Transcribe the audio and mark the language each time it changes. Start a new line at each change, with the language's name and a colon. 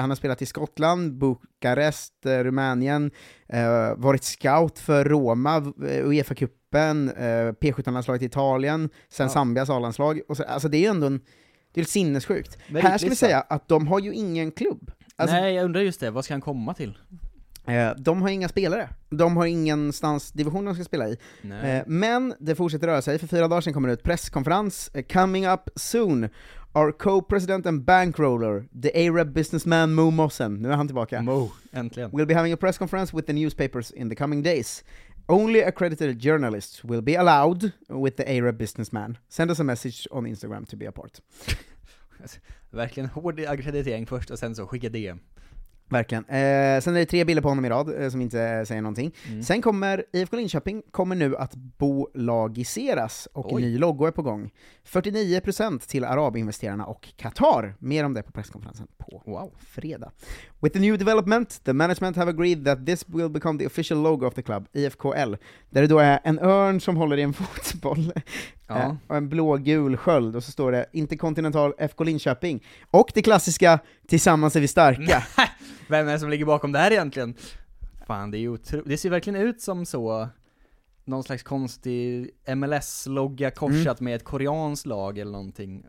Swedish: Han har spelat i Skottland, Bukarest, Rumänien, varit scout för Roma, UEFA-kuppen, P17-landslaget i Italien, sen Zambias A-landslag. Alltså det är ju ändå det är ett sinnessjukt. Men här ska vi säga att de har ju ingen klubb. Alltså, nej, jag undrar just det. Vad ska han komma till? De har inga spelare. De har ingenstans division de ska spela i. Men det fortsätter röra sig. För 4 dagar sedan kommer det ut presskonferens.
English: Coming up soon, our co-president and bankroller, the Arab businessman Mo Mossen.
Swedish: Nu är han tillbaka. Mo, äntligen.
English: We'll be having a press conference with the newspapers in the coming days. Only accredited journalists will be allowed with the Arab businessman. Send us a message on Instagram to be a part.
Swedish: Verkligen hård akkreditering först och sen så skicka DM. Verkligen. Sen är det 3 bilder på honom i rad som inte säger någonting. Mm. Sen kommer IFK Linköping kommer nu att bolagiseras och en ny logo är på gång. 49% till arabinvesterarna och Qatar. Mer om det på presskonferensen på fredag.
English: With the new development, the management have agreed that this will become the official logo of the club, IFKL.
Swedish: Där det då är en örn som håller i en fotboll och en blå-gul sköld. Och så står det Intercontinental FK Linköping. Och det klassiska, tillsammans är vi starka. Vem är det som ligger bakom det här egentligen? Fan, det är otroligt. Det ser verkligen ut som så någon slags konstig MLS-logga korsat med ett koreanskt lag eller någonting.